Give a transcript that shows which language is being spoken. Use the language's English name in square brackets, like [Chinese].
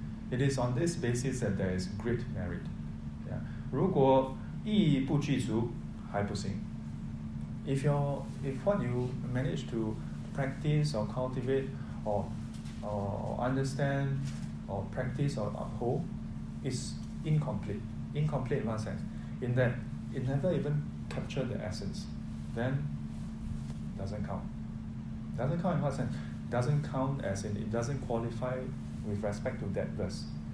[English] It is on this basis that there is great merit. [Chinese] 如果意义不具足还不行. [English] If what you manage to practice or cultivate or understand or practice or uphold is incomplete in one sense, in that it never even captured the essence, then doesn't count in one sense, doesn't count as in it doesn't qualify with respect to that verse.